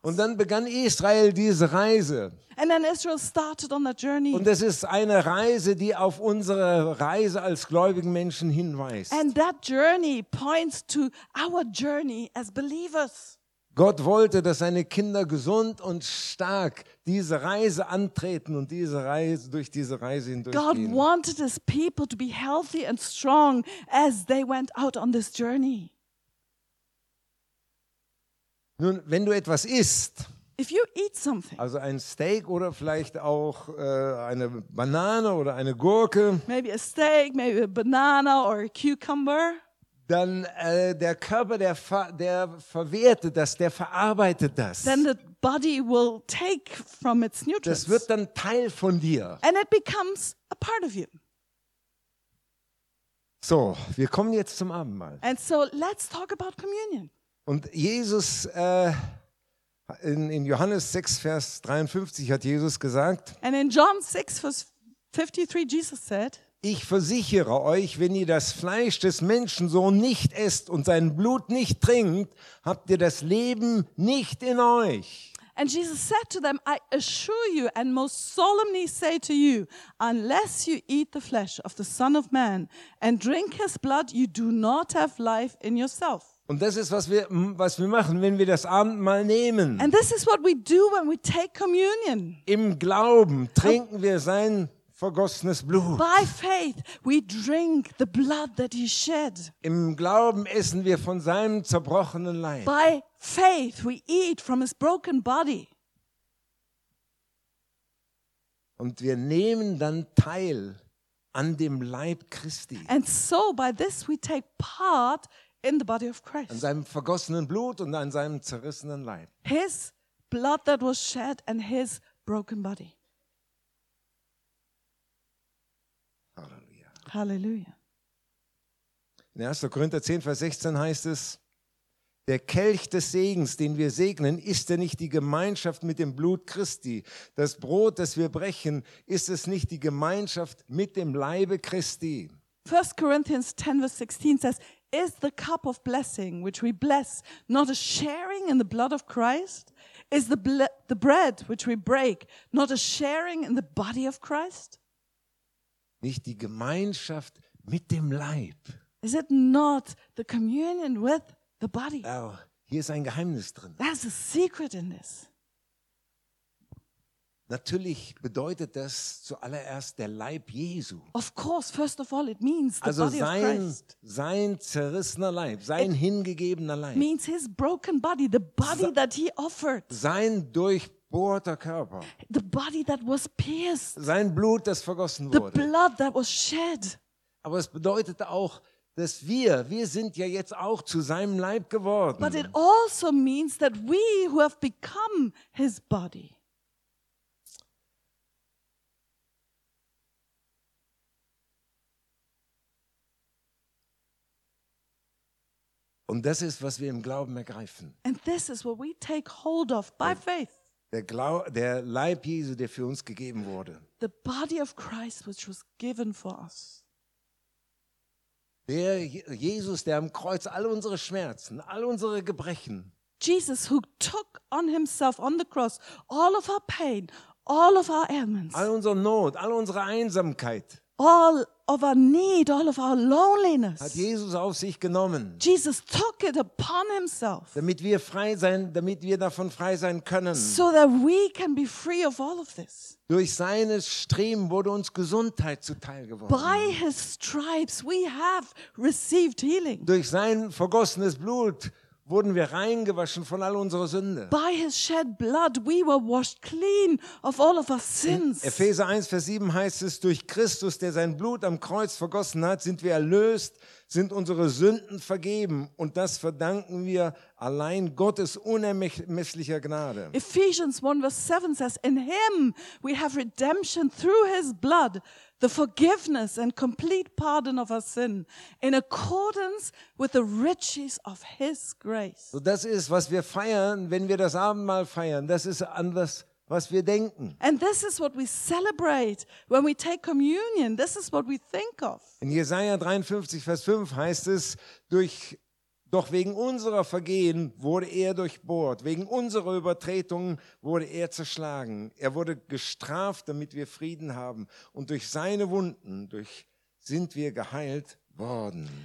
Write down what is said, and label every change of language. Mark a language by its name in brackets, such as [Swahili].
[German] Und dann begann Israel diese Reise. [English] And then Israel started on that journey. [German] Und das ist eine Reise, die auf unsere Reise als gläubigen Menschen hinweist. [English] And that journey points to our journey as believers. [German] Gott wollte, dass seine Kinder gesund und stark diese Reise antreten und diese Reise durch diese Reise hindurchgehen. [English] God wanted his people to be healthy and strong as they went out on this journey. [German] Nun, wenn du etwas isst, [English] if you eat something, [German] also ein Steak oder vielleicht auch eine Banane oder eine Gurke, [English] maybe a steak, maybe a banana or a cucumber, [German] dann der Körper, der verwertet das, der verarbeitet das. [English] Then the body will take from its nutrients. [German] Das wird dann Teil von dir. [English] And it becomes a part of you. [German] So, wir kommen jetzt zum Abendmahl. [English] And so let's talk about communion. [German] Und Jesus, in Johannes 6, Vers 53 hat Jesus gesagt, [English] and in John 6, Vers 53, Jesus said, [German] ich versichere euch, wenn ihr das Fleisch des Menschensohn nicht esst und sein Blut nicht trinkt, habt ihr das Leben nicht in euch. [English] And Jesus said to them, I assure you and most solemnly say to you, unless you eat the flesh of the Son of Man and drink his blood, you do not have life in yourself. [German] Und das ist, was wir machen, wenn wir das Abendmahl nehmen. [English] And this is what we do when we take communion. [German] Im Glauben trinken wir sein vergossenes Blut. [English] By faith we drink the blood that he shed. [German] Im Glauben essen wir von seinem zerbrochenen Leib. [English] By faith we eat from his broken body. [German] Und wir nehmen dann teil an dem Leib Christi. [English] And so by this we take part in the body of Christ. [German] An seinem vergossenen Blut und an seinem zerrissenen Leib. [English] His blood that was shed and his broken body. [German] Halleluja. [English] Halleluja. [German] In 1. Korinther 10, Vers 16 heißt es, der Kelch des Segens, den wir segnen, ist er nicht die Gemeinschaft mit dem Blut Christi? Das Brot, das wir brechen, ist es nicht die Gemeinschaft mit dem Leibe Christi? [English] 1. Corinthians 10, Vers 16 says, is the cup of blessing which we bless not a sharing in the blood of Christ? Is the bread which we break not a sharing in the body of Christ? [German] Nicht die Gemeinschaft mit dem Leib. [English] Is it not the communion with the body? [German] Oh, hier ist ein Geheimnis drin. [English] There's a secret in this. [German] Natürlich bedeutet das zuallererst der Leib Jesu. [English] Of course, first of all, it means the [German] also [English] body of Christ. [German] Also sein zerrissener Leib, sein it hingegebener Leib. [English] Means his broken body, the body that he offered. [German] Sein durchbohrter Körper. [English] The body that was pierced. [German] Sein Blut, das vergossen [English] the [German] wurde. [English] The blood that was shed. [German] Aber es bedeutet auch, dass wir sind ja jetzt auch zu seinem Leib geworden. [English] But it also means that we who have become his body. [German] Und das ist, was wir im Glauben ergreifen. [English] And this is what we take hold of by faith. [German] Der Leib Jesu, der für uns gegeben wurde. [English] The body of Christ, which was given for us. [German] Der Jesus, der am Kreuz all unsere Schmerzen, all unsere Gebrechen. [English] Jesus, who took on himself on the cross all of our pain, all of our ailments. [German] All unsere Not, all unsere Einsamkeit. [English] All of our need, all of our loneliness. [German] Hat Jesus auf sich genommen. [English] Jesus took it upon himself. [German] Damit wir frei sein, damit wir davon frei sein können. [English] So that we can be free of all of this. [German] Durch seine Streben wurde uns Gesundheit zuteil geworden. [English] By his stripes we have received healing. [German] Durch sein vergossenes Blut wurden wir reingewaschen von all unserer Sünde. [English] By his shed blood we were washed clean of all of our sins. [German] In Epheser 1, Vers 7 heißt es, durch Christus, der sein Blut am Kreuz vergossen hat, sind wir erlöst, sind unsere Sünden vergeben. Und das verdanken wir allein Gottes unermesslicher Gnade. [English] Ephesians 1, Vers 7 says, in him we have redemption through his blood, the forgiveness and complete pardon of our sin in accordance with the riches of his grace. [German] So das ist, was wir feiern, wenn wir das Abendmahl feiern. Das ist anders, was wir denken. [English] And this is what we celebrate when we take communion. This is what we think of. [German] In Jesaja 53, Vers 5 heißt es, doch wegen unserer Vergehen wurde er durchbohrt. Wegen unserer Übertretungen wurde er zerschlagen. Er wurde gestraft, damit wir Frieden haben. Und durch seine Wunden sind wir geheilt worden.